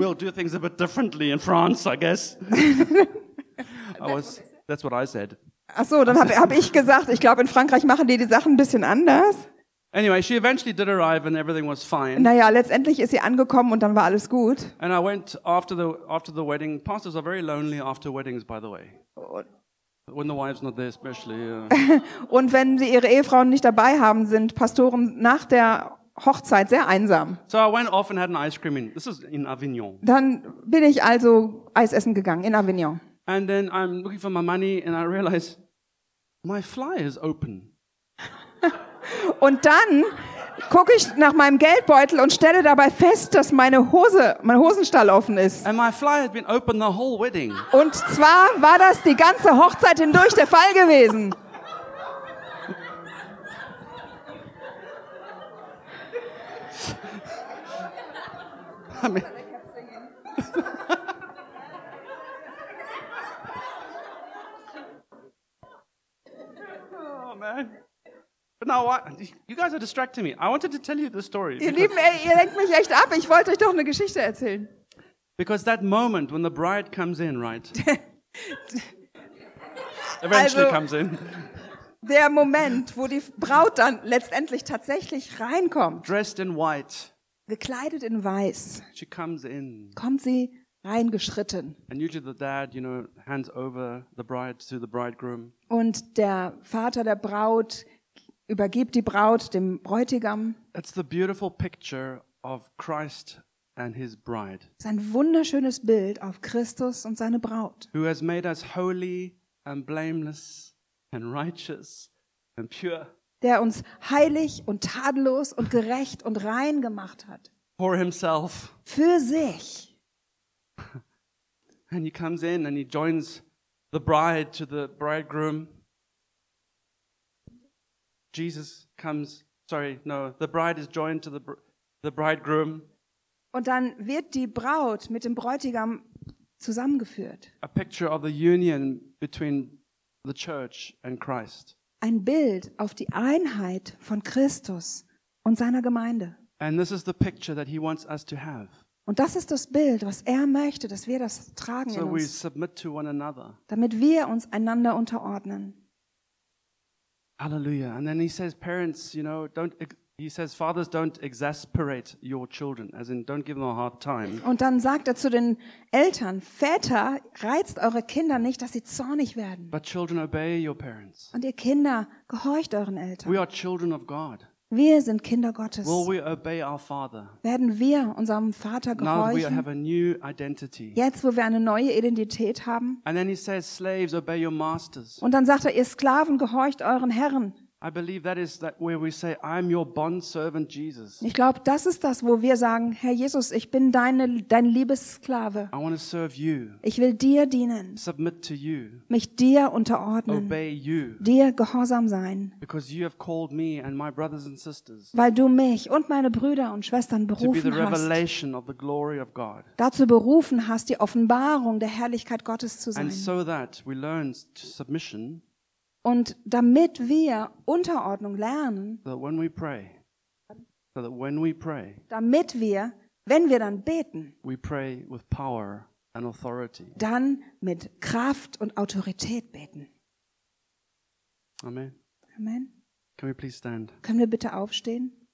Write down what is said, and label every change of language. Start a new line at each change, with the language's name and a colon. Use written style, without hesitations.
English: We'll do things a bit differently in France, I guess. That's what I said.
German: Ach so, dann hab ich gesagt, ich glaube, in Frankreich machen die Sachen ein bisschen anders.
English: Anyway, she eventually did arrive and everything was fine.
German: Naja, letztendlich ist sie angekommen und dann war alles gut.
English: And I went after the wedding. Pastors are very lonely after weddings, by the way. When the wife's not there, especially.
German: Und wenn sie ihre Ehefrauen nicht dabei haben, sind Pastoren nach der Hochzeit sehr einsam.
English: So I went off and had an ice cream in. This is in Avignon.
German: Dann bin ich also Eis essen gegangen in Avignon.
English: And then I'm looking for my money and I realize my fly is open.
German: Und dann gucke ich nach meinem Geldbeutel und stelle dabei fest, dass mein Hosenstall offen ist.
English: And my fly had been open the whole wedding.
German: Und zwar war das die ganze Hochzeit hindurch der Fall gewesen.
English: Oh, man. know why. You guys are distracting me. I wanted to tell you the story.
German: Ihr Lieben, ey, ihr lenkt mich echt ab. Ich wollte euch doch eine Geschichte erzählen.
English: Because that moment when the bride comes in, right? Eventually also, comes in.
German: Der Moment, wo die Braut dann letztendlich tatsächlich reinkommt.
English: Dressed in white.
German: Gekleidet in weiß.
English: She comes in.
German: Kommt sie reingeschritten.
English: And usually the dad, you know, hands over the bride to the bridegroom.
German: Und der Vater der Braut übergibt die Braut dem Bräutigam.
English: It's the beautiful picture of Christ and his bride.
German: Es ist ein wunderschönes Bild auf Christus und seine Braut.
English: Who has made us holy and blameless and righteous and pure.
German: Der uns heilig und tadellos und gerecht und rein gemacht hat.
English: For himself.
German: Für sich.
English: And he comes in and he joins the bride to the bridegroom. Jesus comes, sorry, no, the bride is joined to the bridegroom.
German: Und dann wird die Braut mit dem Bräutigam zusammengeführt.
English: A picture of the union between the church and Christ.
German: Ein Bild auf die Einheit von Christus und seiner Gemeinde.
English: And this is the picture that he wants us to have.
German: Und das ist das Bild, was er möchte, dass wir das tragen so in uns.
English: We submit to one another.
German: Damit wir uns einander unterordnen. Halleluja.
English: And then he says, parents, you know, don't. He says, fathers, don't exasperate your children, as in, don't give them a hard time.
German: Und dann sagt er zu den Eltern, Väter, reizt eure Kinder nicht, dass sie zornig werden.
English: But children, obey your parents.
German: Und ihr Kinder, gehorcht euren Eltern.
English: We are children of God.
German: Wir sind Kinder Gottes.
English: Will we obey our father?
German: Werden wir unserem Vater gehorchen?
English: Now we have a new identity.
German: Jetzt, wo wir eine neue Identität haben.
English: And then he says, slaves, obey your masters.
German: Und dann sagt er, ihr Sklaven, gehorcht euren Herren.
English: I believe that is that where we say I'm your bond servant Jesus.
German: Ich glaube, das ist das, wo wir sagen, Herr Jesus, ich bin dein liebes Sklave.
English: I want to serve you.
German: Ich will dir dienen.
English: Submit to you.
German: Mich dir unterordnen.
English: Obey you.
German: Dir gehorsam sein.
English: Because you have called me and my brothers and sisters.
German: Weil du mich und meine Brüder und Schwestern berufen hast.
English: To be the revelation of the glory of God.
German: Dazu berufen hast, die Offenbarung der Herrlichkeit Gottes zu sein.
English: And so that we learn submission.
German: Und damit wir Unterordnung lernen,
English: that when we pray,
German: damit wir, wenn wir dann beten,
English: we pray with power and authority.
German: Dann mit Kraft und Autorität beten.
English: Amen.
German: Amen.
English: Can we please stand?
German: Können wir bitte aufstehen?